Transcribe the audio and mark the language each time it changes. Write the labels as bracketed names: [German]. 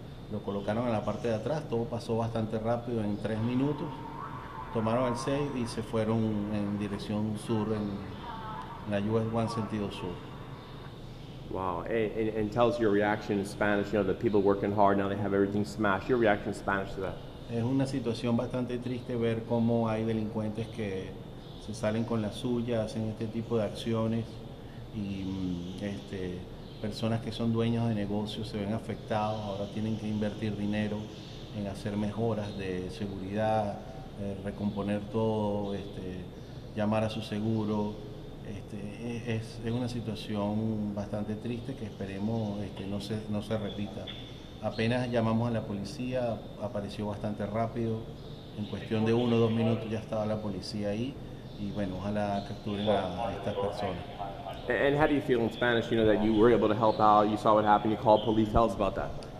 [Spanish] Lo colocaron en la parte de atrás, todo pasó bastante rápido, en 3 minutos. Tomaron el safe y se fueron en dirección sur, en la US 1 sentido sur. [English] Wow, and tell us your reaction in Spanish, you know, the people working hard, now they have everything smashed. Your reaction in Spanish to that? [Spanish] Es una situación bastante triste ver cómo hay delincuentes que se salen con la suya, hacen este tipo de acciones y personas que son dueños de negocios se ven afectados, ahora tienen que invertir dinero en hacer mejoras de seguridad, recomponer todo, llamar a su seguro. Es una situación bastante triste que esperemos no se repita. Apenas llamamos a la policía, apareció bastante rápido, en cuestión de 1 o 2 minutos ya estaba la policía ahí, y bueno, ojalá capturen a estas personas. [English] And how do you feel in Spanish, you know, that you were able to help out, you saw what happened, you called police, tell us about that.